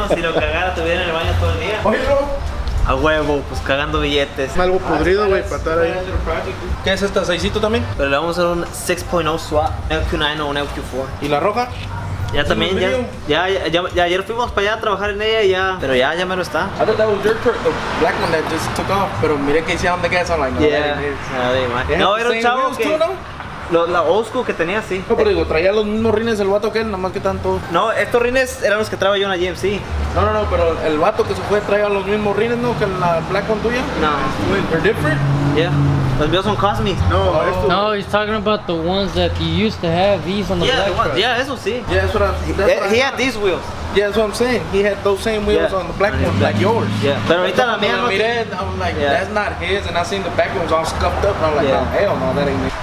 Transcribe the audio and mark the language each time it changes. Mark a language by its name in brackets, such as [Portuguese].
[Spanish] No, si lo cagara, te viene el baño todo el día. Pues cagando billetes. Algo podrido, güey, para estar ahí. ¿Qué es esta? ¿Seisito también? Pero le vamos a hacer un 6.0 swap, LQ9 o un LQ4. ¿Y la roja? Ya también, ya ayer fuimos para allá a trabajar en ella y ya. Pero ya me lo está. [English] I thought that was your truck, the black one that just took off. [Spanish] Pero mire que hicieron de gas online. No, era un chavo que... La [English] old school [Spanish] que tenía, sí. No, pero digo, traía los mismos rines el vato que él, nomás que tanto. No, estos rines eran los que traía yo en la GMC. No, pero el vato que se fue traía los mismos rines, ¿no? Que la [English] black one [Spanish] tuya. No. [English] They're different? Yeah. [Spanish] Los míos son Cosmics. [English] No, he's talking about the ones that you used to have, these on the black one. Yeah, [Spanish] eso sí. [English] Yeah, that's what he had these wheels. Yeah, that's what I'm saying. He had those same wheels on the black one, like yours. Yeah. [Spanish] Pero ahorita la mía no. [English] I'm like, that's not his, and I seen the back ones all scuffed up, and I'm like, hell no, that ain't me.